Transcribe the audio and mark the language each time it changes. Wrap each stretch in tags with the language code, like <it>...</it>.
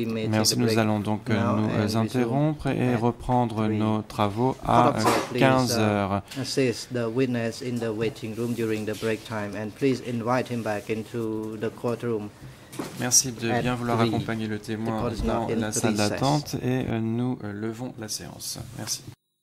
<fr>Merci, nous allons donc nous interrompre et reprendre nos travaux à 15h.</fr> <en>The witness in the waiting room during the break time, and please invite him back into the courtroom.</en> <fr>Merci de bien vouloir accompagner le témoin dans la salle d'attente et nous levons la séance. Merci.</fr>